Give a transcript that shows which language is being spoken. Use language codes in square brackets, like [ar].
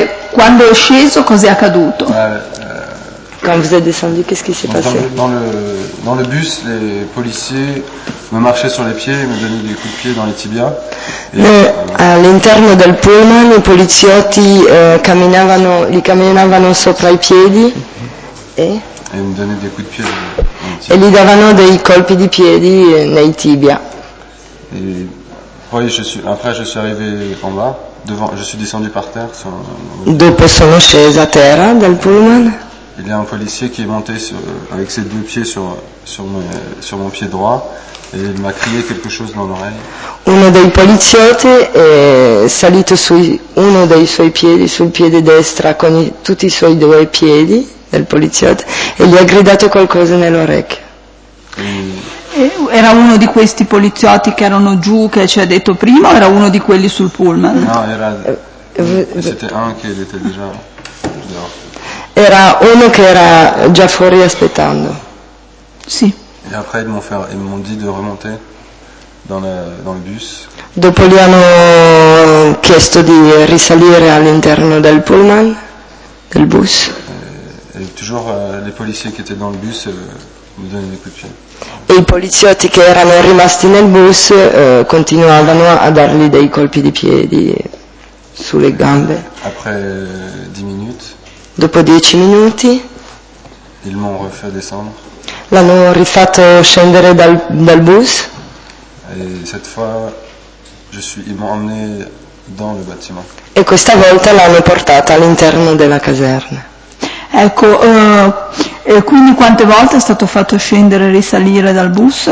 [it] Quando è sceso, cos'è accaduto? [fr] Quand vous êtes descendu, qu'est-ce qui s'est passé? Dans le bus, les policiers me marchaient sur les pieds et me donnaient des coups de pied dans les tibias. [it] All'interno del pullman, i poliziotti li camminavano sopra i piedi [fr] e mi donnaient des coups de pied. [it] E gli davano dei colpi di piedi nei tibia. [fr] Et poi après je suis arrivé en bas, devant, je suis descendu par terre. [it] Dopo sono sceso a terra dal pullman. [fr] Il y a un policier qui est monté avec ses deux pieds sur mon pied droit et il m'a crié quelque chose dans l'oreille. [it] Uno dei poliziotti è salito su uno dei suoi piedi, sul piede destro, con tutti i suoi due piedi del poliziotto e gli ha gridato qualcosa nell'orecchio. Era uno di questi poliziotti che erano giù, che ci ha detto prima, o era uno di quelli sul pullman? No, era. [fr] C'était un che était déjà. [it] Era uno che era già fuori aspettando. Sì. [fr] E après ils m'ont dit de remonter dans le bus. [it] Dopo gli hanno chiesto di risalire all'interno del pullman, del bus. [fr] Et toujours les policiers qui étaient dans le bus mi donnaient des coups de pied. [it] E i poliziotti che erano rimasti nel bus continuavano a dargli dei colpi di piedi sulle gambe. [fr] Après 10 minutes. [it] Dopo 10 minuti [fr] ils m'ont refait descendre. [it] L'hanno rifatto scendere dal bus. [fr] Et cette fois, ils m'ont emmené dans le bâtiment. [it] E questa volta l'hanno portata all'interno della caserma. Ecco, e quindi quante volte è stato fatto scendere e risalire dal bus?